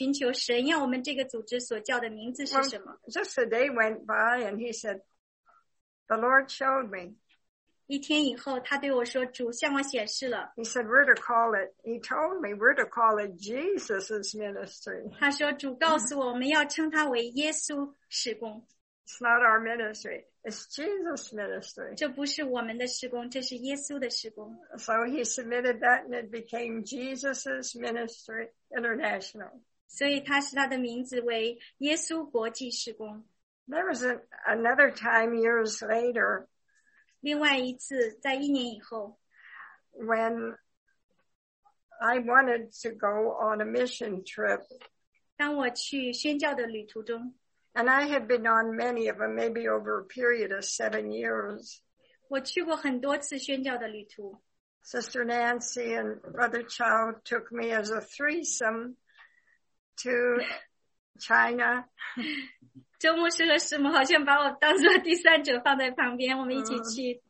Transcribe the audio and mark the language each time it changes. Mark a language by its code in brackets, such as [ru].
[zh] 他说,玛莎跟我一起祷告,让我们来寻求神要我们这个组织所叫的名字是什么。 [en] Well, just a day went by and he said, the Lord showed me. [zh] 一天以后,他对我说,主向我显示了。 [en] He said, we're to call it, he told me, we're to call it Jesus' ministry. [zh] 他说,主告诉我们要称他为耶稣使工。 [en] It's not our ministry. It's Jesus' ministry. [zh] 这不是我们的事工, 这是耶稣的事工。 [en] So he submitted that and it became Jesus' ministry international. [zh] 所以他使他的名字为耶稣国际事工。 [en] There was another time years later. [zh] 另外一次, 在一年以后, [en] when I wanted to go on a mission trip. [zh] 当我去宣教的旅途中, [en] and I had been on many of them, maybe over a period of 7 years. [zh] 我去过很多次宣教的旅途。 [en] Sister Nancy and Brother Chow took me as a threesome to China. [zh] 周牧师和师母好像把我当作第三者放在旁边，我们一起去